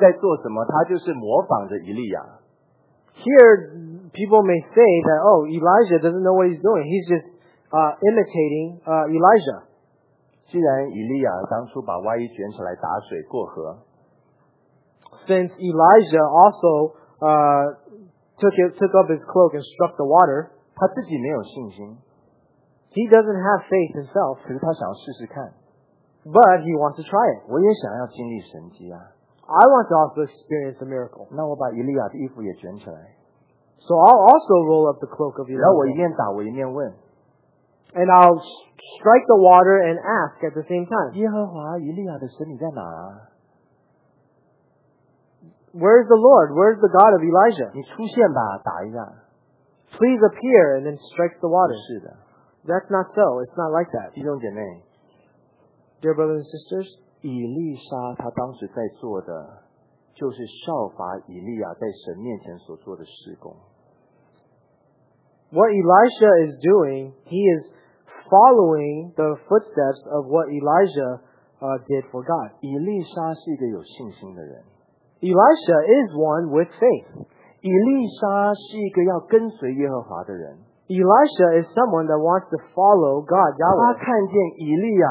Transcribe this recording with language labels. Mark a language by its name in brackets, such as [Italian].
[Chinese] 有人看到这节的时候就说，你看以利沙就是一样画葫芦。以利沙他就是不知道在做什么，他就是模仿着以利亚。 [English] Here, people may say that, oh, Elijah doesn't know what he's doing. He's just imitating Elijah. [Chinese] 既然以利亚当初把外衣卷起来打水过河, [English] since Elijah also took up his cloak and struck the water, [Chinese] 他自己没有信心, [English] he doesn't have faith himself. [Chinese] 可是他想要试试看, [English] but he wants to try it. [Chinese] 我也想要经历神迹啊。 [English] I want to also experience a miracle. [Chinese] 那我把以利亚的衣服也卷起来。 [English] So I'll also roll up the cloak of Elijah. [Chinese] 然后我一面打，我一面问。 [English] And I'll strike the water and ask at the same time. [Chinese] 耶和华以利亚的神你在哪？ [English] Where's the Lord? Where's the God of Elijah? [Chinese] 你出现吧，打一下。 [English] Please appear and then strike the water. [Chinese] 是的。 [English] That's not so. It's not like that. [Chinese] 弟兄姐妹。 [English] Dear brothers and sisters. [Chinese] 以利沙他当时在做的，就是效法以利亚在神面前所做的事工。 [English] What Elisha is doing, he is following the footsteps of what Elijah did for God. [Chinese] 以利沙是一个有信心的人。Elisha [English] is one with faith. [Chinese] 以利沙是一个要跟随耶和华的人。Elisha [English] is someone that wants to follow God, Yahweh.